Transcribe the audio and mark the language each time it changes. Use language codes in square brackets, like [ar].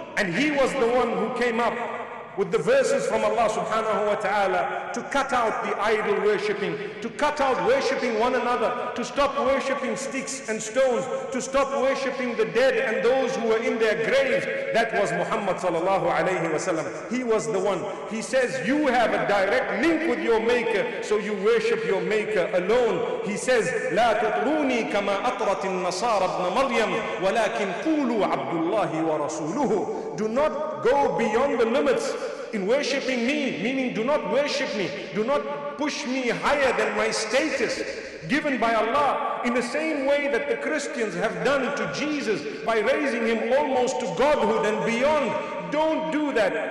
[en] And he was the one who came up with the verses from Allah subhanahu wa ta'ala to cut out the idol worshipping, to cut out worshipping one another, to stop worshipping sticks and stones, to stop worshipping the dead and those who were in their graves. That was Muhammad sallallahu alayhi wa sallam. He was the one. He says, you have a direct link with your Maker, so you worship your Maker alone. He says, [ar] لَا تُطْرُونِي كَمَا أَطْرَتِ النَّصَارَ ابْنَ مَرْيَمُ وَلَكِنْ قُولُوا عَبْدُ اللَّهِ وَرَسُولُهُ. [en] Do not go beyond the limits in worshipping me, meaning do not worship me, do not push me higher than my status given by Allah, in the same way that the Christians have done to Jesus by raising him almost to godhood and beyond. Don't do that.